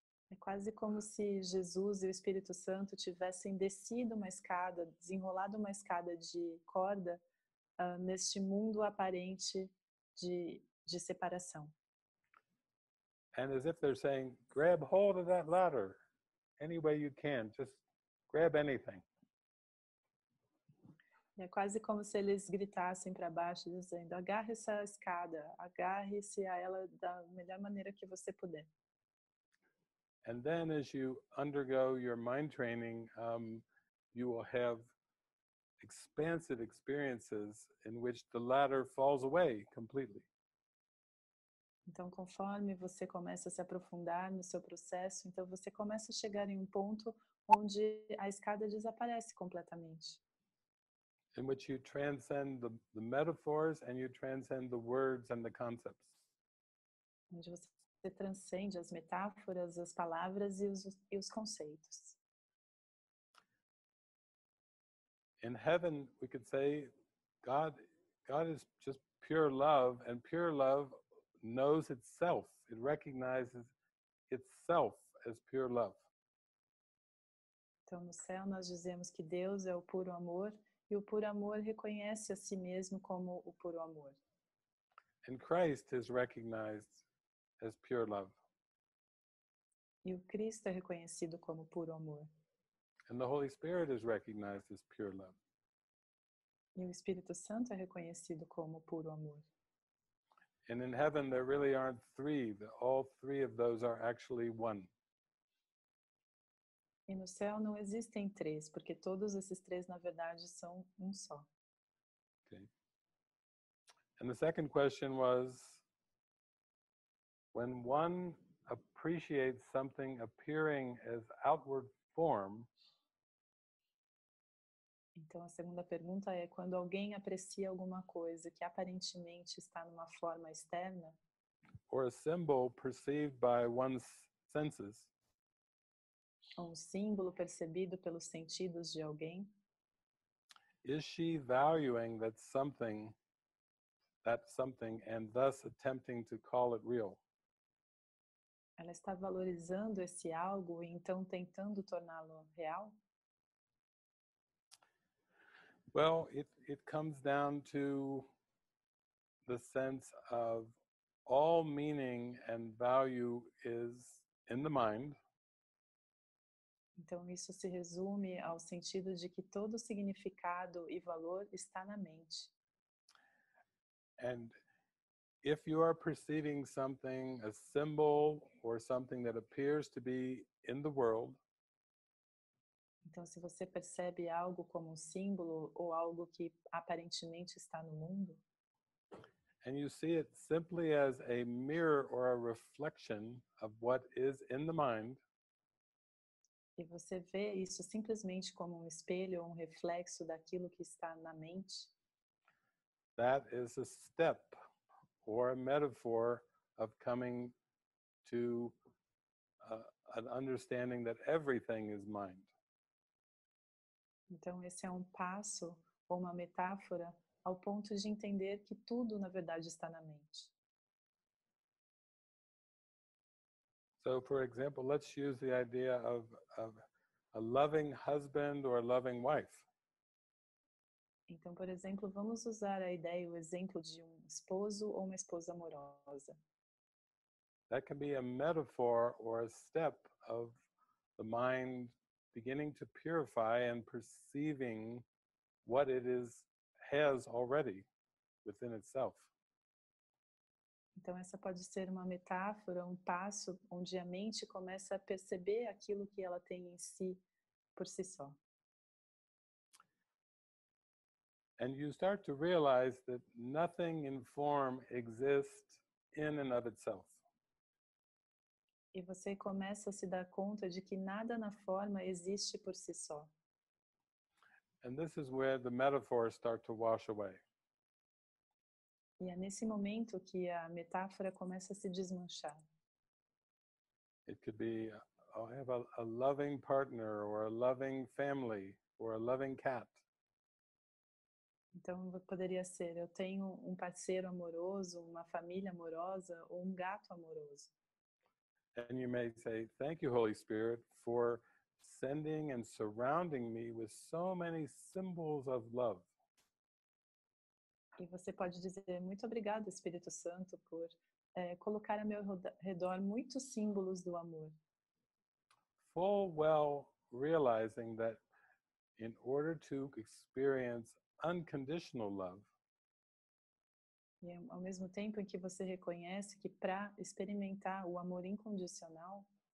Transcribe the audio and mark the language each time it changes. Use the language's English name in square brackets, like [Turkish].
[Portuguese] É quase como se Jesus e o Espírito Santo tivessem descido uma escada, desenrolado uma escada de corda neste mundo aparente de separação. [English] And as if they're saying, grab hold of that ladder any way you can, just grab anything. [Portuguese] É quase como se eles gritassem para baixo dizendo, agarre essa escada, agarre-se a ela da melhor maneira que você puder. [English] And then as you undergo your mind training, you will have expansive experiences in which the ladder falls away completely. [Portuguese] Então, conforme você começa a se aprofundar no seu processo, então você começa a chegar em um ponto onde a escada desaparece completamente. [English] In which you transcend the metaphors and you transcend the words and the concepts. [Portuguese] Onde você transcende as metáforas, as palavras e os conceitos. [English] In heaven, we could say God is just pure love, and pure love knows itself. It recognizes itself as pure love. [Portuguese] Então, no céu, nós dizemos que Deus é o puro amor, e o puro amor reconhece a si mesmo como o puro amor. [English] And Christ is recognized as pure love. [Portuguese] E o Cristo é reconhecido como puro amor. [English] And the Holy Spirit is recognized as pure love. [Portuguese] E o Espírito Santo é reconhecido como puro amor. [English] And in heaven there really aren't three, all three of those are actually one. [Portuguese] E no céu não existem três, porque todos esses três na verdade são um só. [English] Okay. And the second question was, when one appreciates something appearing as outward form. [Portuguese] Então, a segunda pergunta é, quando alguém aprecia alguma coisa que aparentemente está numa forma externa, [English] or a symbol perceived by one's senses, [Portuguese] ou um símbolo percebido pelos sentidos de alguém, [English] is she valuing that something and thus attempting to call it real? [Portuguese] Ela está valorizando esse algo e então tentando torná-lo real? [English] Well, it comes down to the sense of all meaning and value is in the mind. [Portuguese] Então isso se resume ao sentido de que todo significado e valor está na mente. [English] And if you are perceiving something, a symbol or something that appears to be in the world, [Portuguese] então, se você percebe algo como um símbolo ou algo que aparentemente está no mundo, [English] and you see it simply as a mirror or a reflection of what is in the mind, [Portuguese] e você vê isso simplesmente como um espelho ou um reflexo daquilo que está na mente, [English] that is a step or a metaphor of coming to an understanding that everything is mind. [Portuguese] Então, esse é um passo ou uma metáfora ao ponto de entender que tudo, na verdade, está na mente. [English] So, for example, let's use the idea of a loving husband or a loving wife. [Portuguese] Então, por exemplo, vamos usar a ideia, o exemplo de um esposo ou uma esposa amorosa. [English] That can be a metaphor or a step of the mind beginning to purify and perceiving what it is has already within itself. [Portuguese] Então essa pode ser uma metáfora, um passo onde a mente começa a perceber aquilo que ela tem em si por si só. [English] And you start to realize that nothing in form exists in and of itself. [Portuguese] E você começa a se dar conta de que nada na forma existe por si só. [English] And this is where the metaphors start to wash away. [Portuguese] E é nesse momento que a metáfora começa a se desmanchar. [English] It could be, oh, I have a loving partner, or a loving family, or a loving cat. [Portuguese] Então, poderia ser, eu tenho um parceiro amoroso, uma família amorosa, ou um gato amoroso. [English] And you may say, thank you, Holy Spirit, for sending and surrounding me with so many symbols of love. [Portuguese] E você pode dizer, muito obrigado, Espírito Santo, por colocar ao meu redor muitos símbolos do amor. [English] Full well realizing that in order to experience unconditional love, [Portuguese] e ao mesmo tempo em que você reconhece que para experimentar o amor incondicional,